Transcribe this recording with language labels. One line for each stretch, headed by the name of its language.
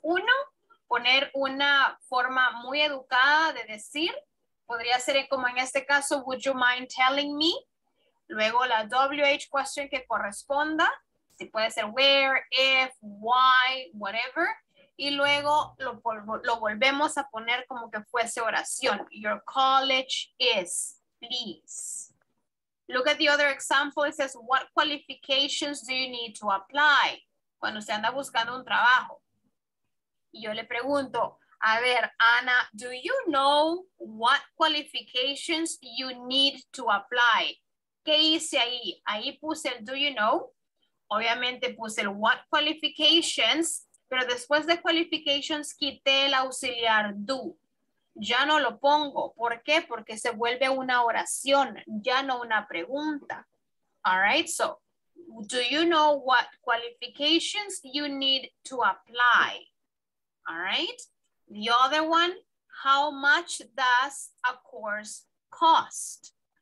Spanish: Uno, poner una forma muy educada de decir, podría ser como en este caso,
English: would you mind telling me?
Spanish: Luego la WH question que corresponda, si puede ser where, if, why, whatever. Y luego lo volvemos a poner como que fuese oración.
English: Your college is, please. Look at the other example. It says, what qualifications do you need to apply?
Spanish: Cuando usted anda buscando un trabajo. Y yo le pregunto, a ver, Ana,
English: do you know what qualifications you need to apply?
Spanish: ¿Qué hice ahí? Ahí puse el
English: do you know.
Spanish: Obviamente puse el
English: what qualifications,
Spanish: pero después de qualifications quité el auxiliar do. Ya no lo pongo. ¿Por qué? Porque se vuelve una oración, ya no una pregunta.
English: All right, so, do you know what qualifications you need to apply? All right, the other one, how much does a course cost?